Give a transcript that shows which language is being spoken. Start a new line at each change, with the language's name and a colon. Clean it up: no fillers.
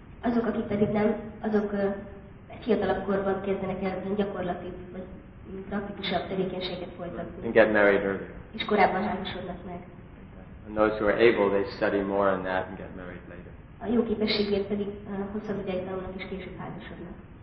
Hungarian: Azok, akik pedig nem, azok fiatalabb korban kezdenek el gyakorlati vagy praktikusabb tevékenységet folytatni.
English: And get married early.
Hungarian: És korábban házasodnak meg.
English: And those who are able, they study more on that and get married later.
Hungarian: A jó képességért pedig hosszabb ideig tanulnak és később házasodnak.